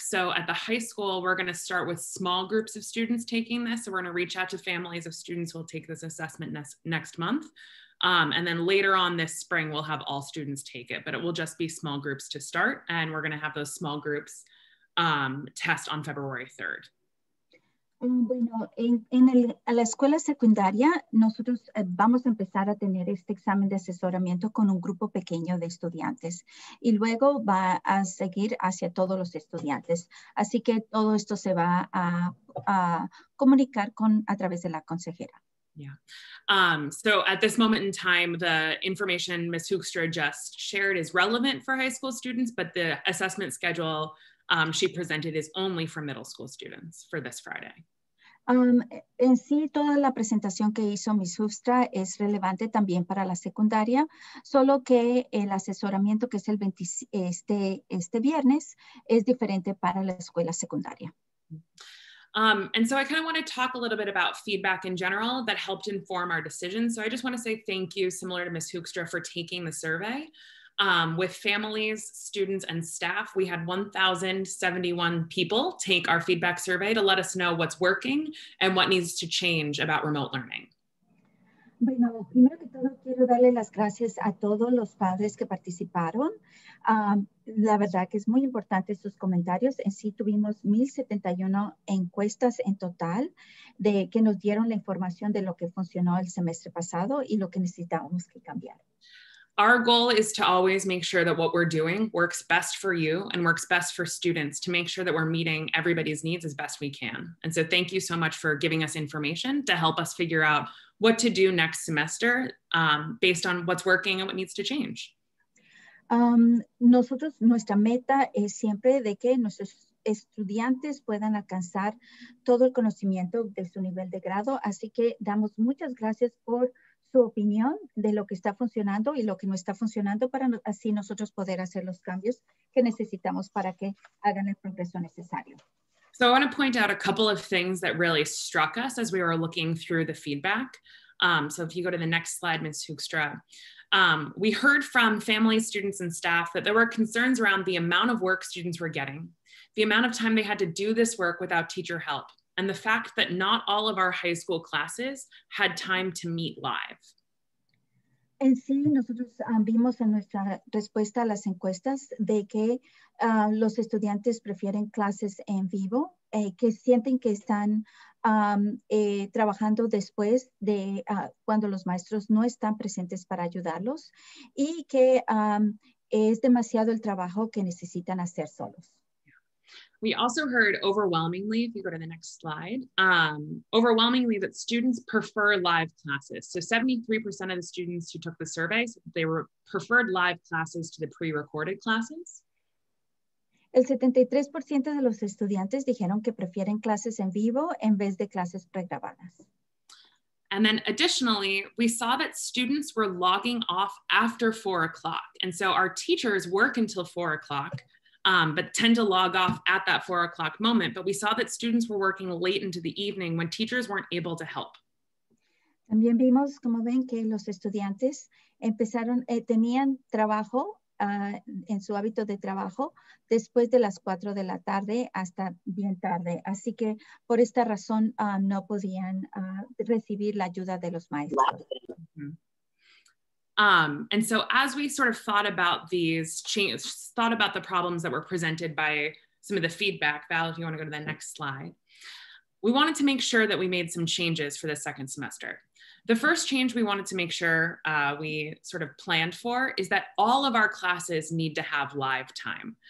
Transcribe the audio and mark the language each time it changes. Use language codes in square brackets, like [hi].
[en] So at the high school, we're gonna start with small groups of students taking this. So we're gonna reach out to families of students who will take this assessment next month. And then later on this spring, we'll have all students take it, but it will just be small groups to start. And we're gonna have those small groups test on February 3rd. [es] Bueno, en la escuela secundaria, nosotros vamos a empezar a tener este examen de asesoramiento con un grupo pequeño de estudiantes y luego va a seguir hacia todos los estudiantes. Así que todo esto se va a comunicar a través de la consejera. [en] Yeah. So at this moment in time, the information Ms. Hoekstra just shared is relevant for high school students, but the assessment schedule she presented is only for middle school students for this Friday. [es] En sí, toda la presentación que hizo Ms. Hoekstra es relevante también para la secundaria, solo que el asesoramiento que es el 20, este viernes es diferente para la escuela secundaria. [en] And so I kind of want to talk a little bit about feedback in general that helped inform our decision. So I just want to say thank you, similar to Ms. Hoekstra, for taking the survey. With families, students, and staff, we had 1,071 people take our feedback survey to let us know what's working and what needs to change about remote learning. [es] Bueno, primero que todo, quiero darle las gracias a todos los padres que participaron. La verdad que es muy importante sus comentarios. En sí, tuvimos 1,071 encuestas en total de que nos dieron la información de lo que funcionó el semestre pasado y lo que necesitábamos que cambiar. [en] our goal is to always make sure that what we're doing works best for you and works best for students, to make sure that we're meeting everybody's needs as best we can. And so thank you so much for giving us information to help us figure out what to do next semester based on what's working and what needs to change. [es] Nosotros, nuestra meta es siempre de que nuestros estudiantes puedan alcanzar todo el conocimiento de su nivel de grado. Así que damos muchas gracias por su opinión de lo que está funcionando y lo que no está funcionando para así nosotros poder hacer los cambios que necesitamos para que hagan el progreso necesario. [en] So I want to point out a couple of things that really struck us as we were looking through the feedback. So if you go to the next slide, Ms. Hoekstra. We heard from families, students, and staff that there were concerns around the amount of work students were getting, the amount of time they had to do this work without teacher help, and the fact that not all of our high school classes had time to meet live. [es] En sí, nosotros vimos en nuestra respuesta a las encuestas de que los estudiantes prefieren clases en vivo, que sienten que están trabajando después de cuando los maestros no están presentes para ayudarlos y que es demasiado el trabajo que necesitan hacer solos. [en] We also heard overwhelmingly, if you go to the next slide, overwhelmingly that students prefer live classes. So 73% of the students who took the surveys, they were preferred live classes to the pre-recorded classes. [es] El 73% de los estudiantes dijeron que prefieren clases en vivo en vez de clases pregrabadas. [en] And then additionally, we saw that students were logging off after 4 o'clock. And so our teachers work until 4 o'clock. But tend to log off at that 4 o'clock moment. But we saw that students were working late into the evening when teachers weren't able to help. [es] También vimos, como ven, que los estudiantes empezaron, tenían trabajo en su hábito de trabajo después de las 4 de la tarde hasta bien tarde. Así que por esta razón no podían recibir la ayuda de los maestros. [en] And so as we sort of thought about these changes, thought about the problems that were presented by some of the feedback, Val, if you want to go to the next slide, we wanted to make sure that we made some changes for the second semester. The first change we wanted to make sure we sort of planned for is that all of our classes need to have live time.